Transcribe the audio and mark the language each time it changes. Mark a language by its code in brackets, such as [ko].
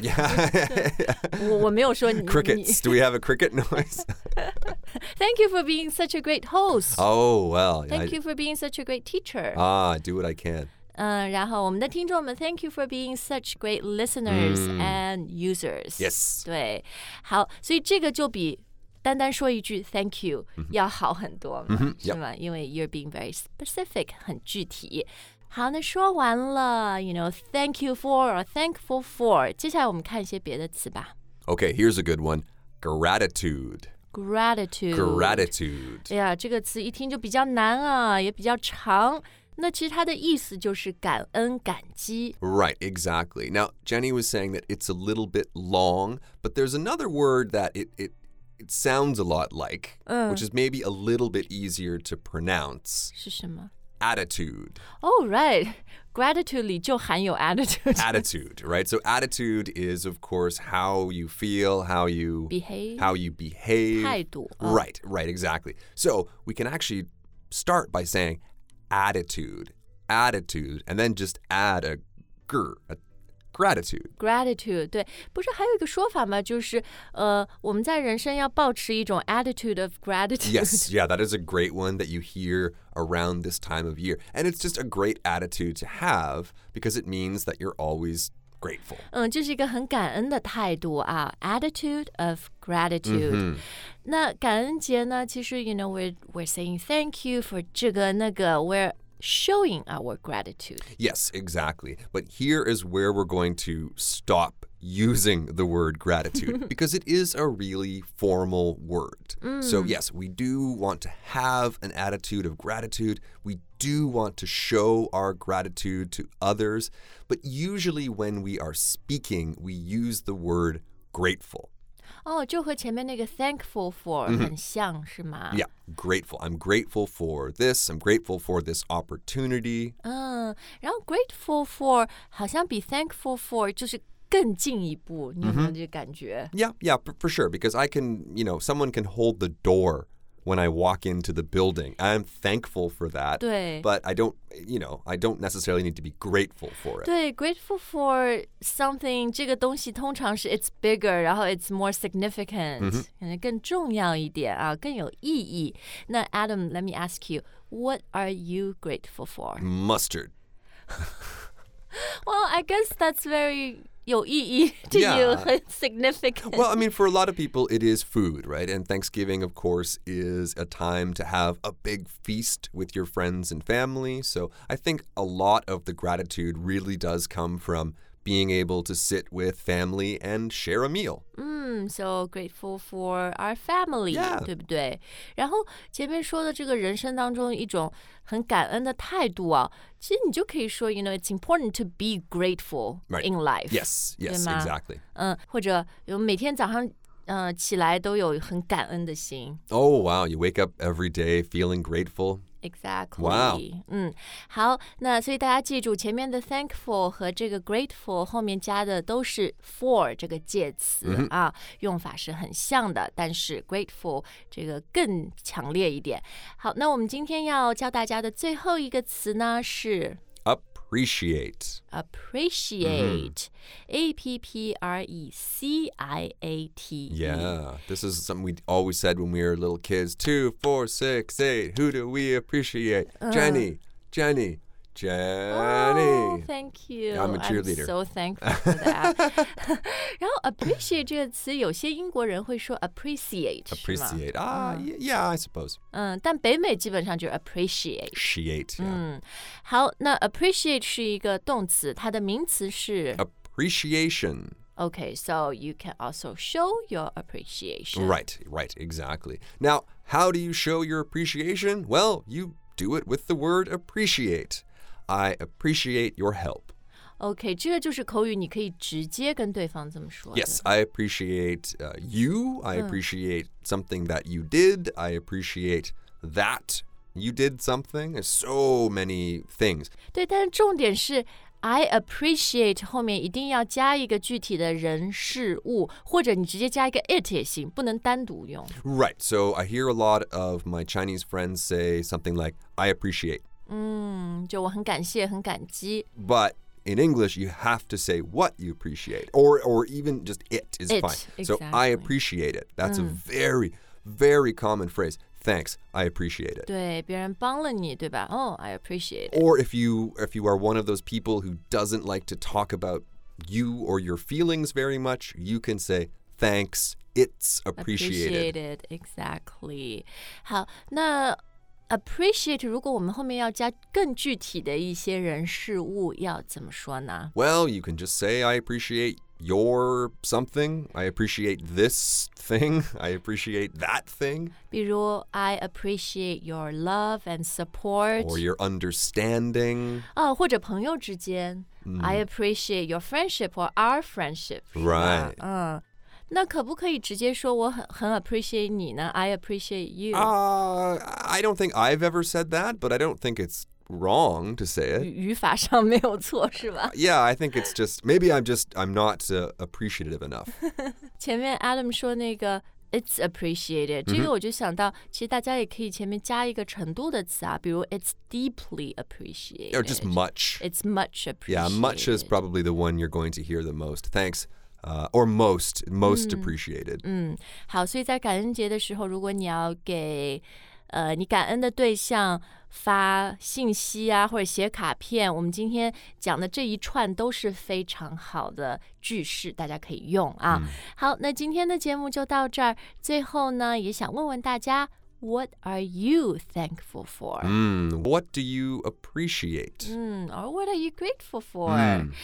[en] Yeah. [zh] 我没有说你。 [en] Crickets. Do we have a cricket noise? Thank you for being such a great host. Oh, well. Thank you for being such a great teacher. I do what I can. [zh] 然后我们的听众们 [en] ，Thank you for being such great listeners and users. Yes. [zh] 对，好，所以这个就比单单说一句 [en] Thank you [zh] 要好很多嘛， [en] mm-hmm. [zh] 是吗？ Yep. 因为 [en] you're being very specific， [zh] 很具体。好，那说完了 ， [en] you know Thank you for or thankful for， [zh] 接下来我们看一些别的词吧。 [en] Okay, here's a good one: gratitude. Gratitude. [zh] 哎呀，这个词一听就比较难啊，也比较长。那其实它的意思就是感恩感激。 [en] Right, exactly. Now, Jenny was saying that it's a little bit long, but there's another word that it sounds a lot like, which is maybe a little bit easier to pronounce. [zh] 是什么 [en] attitude. Oh, right. [zh] Gratitude 里就含有 attitude. [en] Attitude, right? So attitude is, of course, how you feel, how you behave. How you behave. [zh] 态度、 [en] Right, right, exactly. So we can actually start by saying attitude, attitude, and then just add gratitude. Gratitude, 对。 [zh] 不是还有一个说法吗就是、我们在人生要保持一种 [en] attitude of gratitude. Yes, yeah, that is a great one that you hear around this time of year. And it's just a great attitude to have because it means that you're always grateful.、 [zh] 就是一个很感恩的态度啊 [en] attitude of gratitude.、 Mm-hmm. [zh] 那感恩节呢其实 [en] you know, we're saying thank you for [zh] 这个那个 [en] we're,showing our gratitude. Yes, exactly. But here is where we're going to stop using the word gratitude because it is a really formal word.、 Mm. So yes, we do want to have an attitude of gratitude. We do want to show our gratitude to others. But usually when we are speaking, we use the word grateful. [zh] 哦、oh, ，就和前面那个 thankful for、mm-hmm. 很像是吗 [en] ？Yeah, grateful. I'm grateful for this. I'm grateful for this opportunity. [zh] 嗯，然后 grateful for 好像比 thankful for 就是更进一步，你有没有这个感觉、 [en] mm-hmm. ？Yeah, yeah, for sure. Because I can, you know, someone can hold the door when I walk into the building. I'm thankful for that. [zh] 对。 [en] But I don't, you know, I don't necessarily need to be grateful for it. 对 ,grateful for something, [zh] 这个东西通常是 [en] it's bigger, [zh] 然后 [en] it's more significant,、 mm-hmm. [zh] 更重要一点啊更有意义。 [en] 那 Adam, let me ask you, what are you grateful for? Mustard. Well, I guess that's very... [zh] 有意义 [en] to、 yeah. you, significant. Well, I mean, for a lot of people, it is food, right? And Thanksgiving, of course, is a time to have a big feast with your friends and family. So I think a lot of the gratitude really does come from being able to sit with family and share a meal. So grateful for our family,、 yeah. [zh] 对不对？然后前面说的这个人生当中一种很感恩的态度啊，其实你就可以说 ， [en] you know, it's important to be grateful、 right. in life. Yes, yes, exactly. [zh] 或者有每天早上，起来都有很感恩的心。 [en] Oh wow, you wake up every day feeling grateful. Exactly. Wow. [zh] 好，那所以大家记住前面的 thankful 和这个 grateful 后面加的都是 for 这个介词、 [en] mm-hmm. [zh] 啊，用法是很像的，但是 grateful 这个更强烈一点。好，那我们今天要教大家的最后一个词呢是 [en] appreciate. Appreciate.、Mm-hmm. appreciate. Yeah, this is something we always said when we were little kids. 2, 4, 6, 8, who do we appreciate? Jenny. Oh, thank you. Yeah, I'm a cheerleader. I'm so thankful for that. [zh] 然后 appreciate 这个词有些英国人会说 appreciate. [en] Appreciate. Yeah, I suppose. [zh] 但北美基本上就是 appreciate. [en] Appreciate, yeah. [zh] 好那 appreciate 是一个动词它的名词是 [en] appreciation. Okay, so you can also show your appreciation. Right, right, exactly. Now, how do you show your appreciation? Well, you... Do it with the word appreciate. I appreciate your help. [zh] Okay, 这个就是口语，你可以直接跟对方这么说。 [en] Yes, I appreciate you. I appreciate something that you did. I appreciate that you did something. There's so many things. [zh] 对，但是重点是 I appreciate 后面一定要加一个具体的人事物，或者你直接加一个 it 也行，不能单独用。 [en] Right, so I hear a lot of my Chinese friends say something like, I appreciate. [zh] 就我很感谢，很感激。 [en] But in English, you have to say what you appreciate, or even just it is it, fine. Exactly. So I appreciate it. That's a very, very common phrase. Thanks, I appreciate it. [zh] 对，别人帮了你，对吧？ [en] Oh, I appreciate it. Or if you are one of those people who doesn't like to talk about you or your feelings very much, you can say, thanks, it's appreciated. Appreciated, exactly. [zh] 好，那 appreciate 如果我们后面要加更具体的一些人事物，要怎么说呢？ [en] Well, you can just say, I appreciate your something, I appreciate this thing, I appreciate that thing. [zh] 比如 [en] I appreciate your love and support. Or your understanding. [zh] 或者朋友之间、 [en] I appreciate your friendship or our friendship. Right. [zh] 那可不可以直接说我 很 appreciate 你呢 [en] I appreciate you. I don't think I've ever said that, but I don't think it's wrong to say it. [zh] 语法上没有错是吧 [en] Yeah, I think it's just, maybe I'm not appreciative enough. [zh] 前面 Adam 说那个 [en] it's appreciated,、 [zh] mm-hmm. 这个我就想到其实大家也可以前面加一个程度的词啊比如 [en] it's deeply appreciated. Or just much. It's much appreciated. Yeah, much is probably the one you're going to hear the most. Thanks. Or most appreciated. [zh] 好，所以在感恩节的时候，如果你要给你感恩的对象发信息啊，或者写卡片，我们今天讲的这一串都是非常好的句式，大家可以用啊。好，那今天的节目就到这儿。最后呢，也想问问大家 ， [en] What are you thankful for? What do you appreciate? Or what are you grateful for?